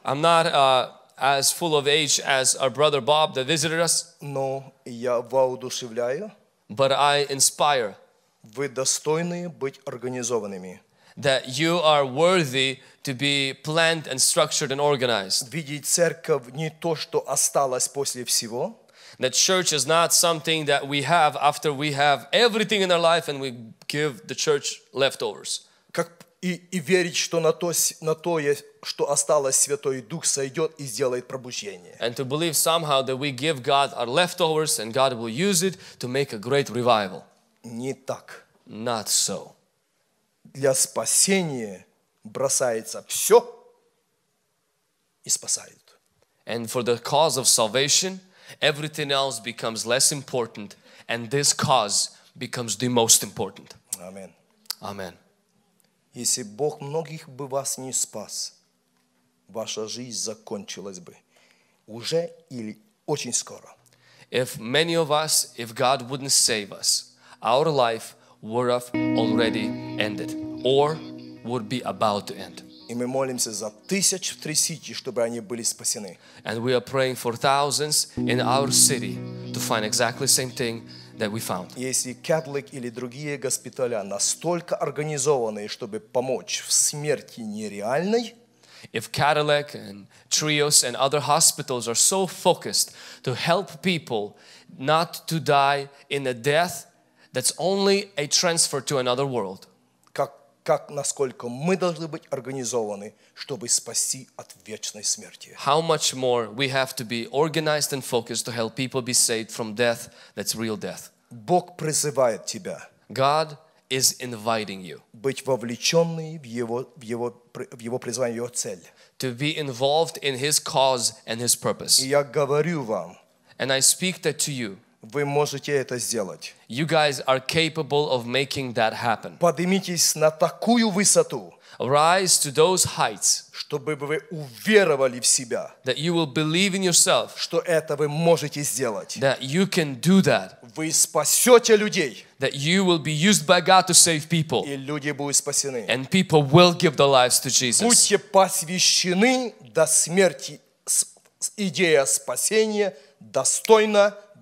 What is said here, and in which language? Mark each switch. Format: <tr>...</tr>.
<en>I'm not as full of age as our brother Bob that visited us.</en> <ru>Но я воодушевляю.</ru> <en>But I inspire.</en> <ru>Вы достойны быть организованными.</ru> <en>That you are worthy to be planned and structured and organized.</en> <ru>Видеть церковь не то, что осталось после всего.</ru> <en>That church is not something that we have after we have everything in our life and we give the church leftovers.</en> <ru>Как и верить, что на то есть, что осталось, Святой Дух сойдет и сделает пробуждение.</ru> <en>And to believe somehow that we give God our leftovers and God will use it to make a great revival.</en> <ru>Не так.</ru> <en>Not so.</en> <ru>Для спасения бросается все и спасает.</ru> <en>And for the cause of salvation, everything else becomes less important, and this cause becomes the most important. Amen. Amen.</en> <ru>Если Бог многих бы вас не спас, ваша жизнь закончилась бы уже или очень скоро.</ru> <en>If many of us, if God wouldn't save us, our life would have already ended. Or would be about to end.</en> <ru>И мы молимся за тысяч в Три-Сити, чтобы они были спасены.</ru> <en>And we are praying for thousands in our city to find exactly the same thing that we found.</en> <ru>Если Catholic или другие госпиталя настолько организованы, чтобы помочь в смерти нереальной,</ru> <en>if Cadillac and Trios and other hospitals are so focused to help people not to die in a death that's only a transfer to another world.</en> <ru>Как насколько мы должны быть организованы, чтобы спасти от вечной смерти.</ru> <en>How much more we have to be organized and focused to help people be saved from death, that's real death.</en> <ru>Бог призывает тебя.</ru> <en>God is inviting you.</en> <ru>Быть вовлеченным в его призвание, в его цель.</ru> <en>To be involved in his cause and his purpose.</en> <ru>И я говорю вам.</ru> <en>And I speak that to you.</en> <ru>Вы можете это сделать.</ru> <en>You guys are capable of making that happen.</en> <ru>Поднимитесь на такую высоту.</ru> <en>Rise to those heights.</en> <ru>Чтобы вы уверовали в себя.</ru> <en>That you will believe in yourself.</en> <ru>Что это вы можете сделать.</ru> <en>That you can do that.</en> <ru>Вы спасете людей.</ru> <en>That you will be used by God to save people.</en> <ru>И люди будут спасены.</ru> <en>And people will give their lives to Jesus.</en> <ru>Будьте посвящены до смерти. Идея спасения достойна.</ru>